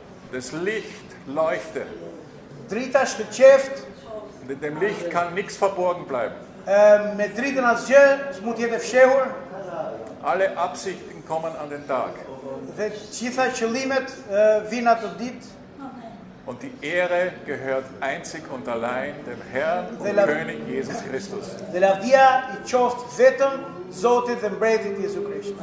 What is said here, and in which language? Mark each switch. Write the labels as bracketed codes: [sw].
[de] Das Licht leuchte. [sq] Drita shkëlqeft. [de] Mit dem Licht kann nichts verborgen bleiben. [sq] Me dritën asgjë s'mund të jetë fshehur. [de] Alle Absichten kommen an den Tag. [sq] Dhe gjitha qëllimet vijnë atë ditë. [de] Und die Ehre gehört einzig und allein dem Herrn und König Jesus Christus. [sq] Dhe lavdia i qoftë vetëm Zotit dhe mbretit Jesu Krisht.